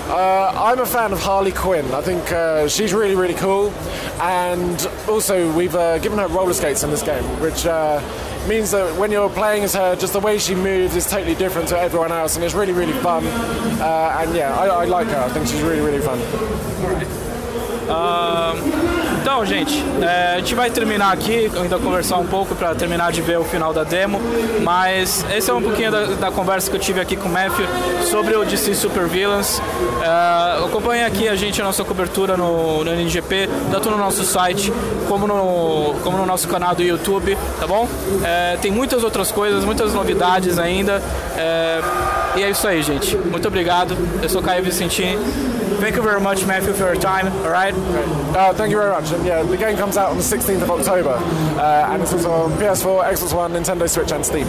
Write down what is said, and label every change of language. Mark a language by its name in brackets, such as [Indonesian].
[English] I'm a fan of Harley Quinn. I think she's really, really cool. And also, we've given her roller skates in this game, which means that when you're playing as her, just the way she moves is totally different to everyone else, and it's really, really fun. I like her. I think she's really, really fun. [Portuguese] Então, gente, a gente vai terminar aqui, ainda conversar um pouco para terminar de ver o final da demo, mas esse é um pouquinho da conversa que eu tive aqui com o Matthew sobre o DC Super Villains. Acompanhe aqui a gente, a nossa cobertura no NGP, tanto no nosso site como no nosso canal do YouTube, tá bom? Tem muitas outras coisas, muitas novidades ainda, e é isso aí, gente. Muito obrigado, eu sou Caio Vicentini. [English] Thank you very much, Matthew, for your time. All right. Thank you very much. And yeah, the game comes out on the 16th of October, and it's also on PS4, Xbox One, Nintendo Switch, and Steam.